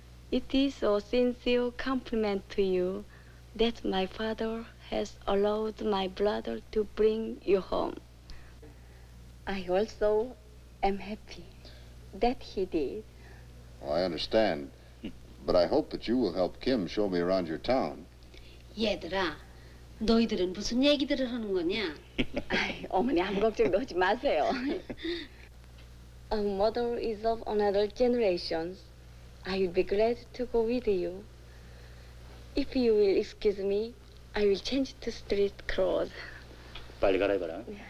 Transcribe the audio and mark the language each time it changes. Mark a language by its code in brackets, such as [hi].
[en] It is a sincere compliment to you that my father has allowed my brother to bring you home. I also am happy that he did. Well, I understand, but I hope that you will help Kim show me around your town. [ko] 얘들아, 너희들은 무슨 얘기들을 하는 거냐? 아이, 어머니, 아무 걱정도 하지 마세요. [en] A mother is of another generation. I will be glad to go with you. If you will excuse me, I will change to street clothes. [ko] 빨리 갈아입어라.